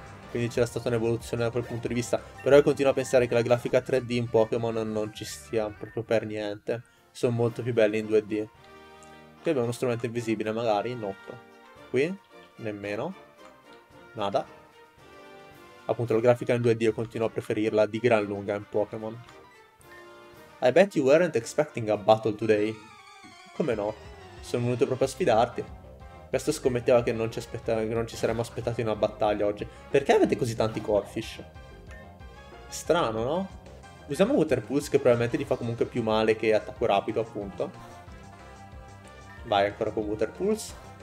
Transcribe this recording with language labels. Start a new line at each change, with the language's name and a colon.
Italian: Quindi c'era stata un'evoluzione da quel punto di vista, però io continuo a pensare che la grafica 3D in Pokémon non ci stia proprio per niente, sono molto più belli in 2D. Qui abbiamo uno strumento invisibile, magari, notto. Qui, nemmeno. Nada. Appunto, la grafica in 2D io continuo a preferirla di gran lunga in Pokémon.
English: I bet you weren't expecting a battle today.
Italian: Come no? sono venuto proprio a sfidarti. Questo scommetteva che non ci aspettavamo, che non ci saremmo aspettati una battaglia oggi. Perché avete così tanti Corphish? Strano, no? Usiamo Water Pulse che probabilmente gli fa comunque più male che attacco rapido, appunto. Vai ancora con Water Pulse.